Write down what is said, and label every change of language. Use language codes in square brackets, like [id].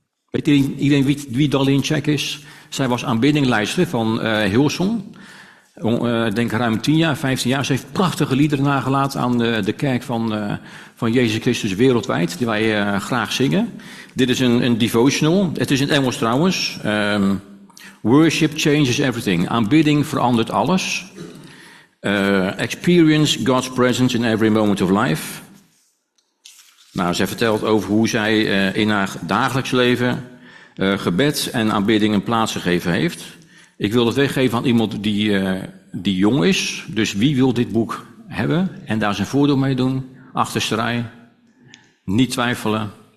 [nl] Weet iedereen wie Darlene Check is? Zij was aanbiddingleidster van Hillsong. Denk ruim 10 jaar, 15 jaar. Ze heeft prachtige liederen nagelaten aan de kerk van Jezus Christus wereldwijd, die wij graag zingen. Dit is een devotional. Het is in Engels trouwens. [en] Worship changes everything. [nl] Aanbidding verandert alles. [en] Experience God's presence in every moment of life. [nl] Nou, zij vertelt over hoe zij in haar dagelijks leven gebed en aanbidding een plaats gegeven heeft. Ik wil het weggeven aan iemand die jong is. Dus wie wil dit boek hebben en daar zijn voordeel mee doen? Achterste rij. Niet twijfelen.